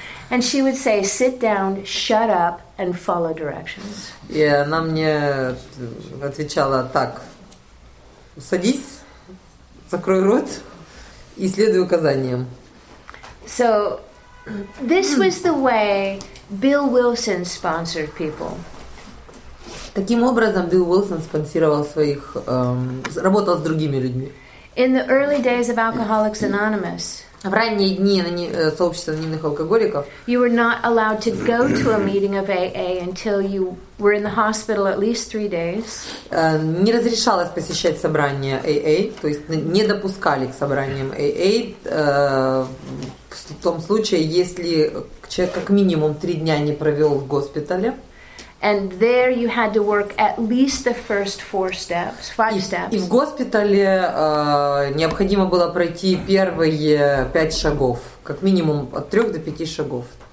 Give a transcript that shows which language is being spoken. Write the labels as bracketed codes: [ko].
[en] And she would say, sit down, shut up, and follow directions. [ru] И она мне отвечала так, садись, закрой рот и следуй указаниям. [en] So, this was the way Bill Wilson sponsored people. [ru] Таким образом, Билл Уилсон спонсировал своих, работал с другими людьми. [en] In the early days of Alcoholics Anonymous, [ru] в ранние дни сообщества анонимных алкоголиков [en] you were not allowed to go to a meeting of AA until you were in the hospital at least 3 days. [ru] Не разрешалось посещать собрания AA, то есть не допускали к собраниям AA в том случае, если человек как минимум 3 дня не провел в госпитале. [en] And there you had to work at least the first 4 steps, 5 steps. [ru] И в госпитале необходимо было пройти первые 5 шагов, как минимум от 3 до 5 шагов.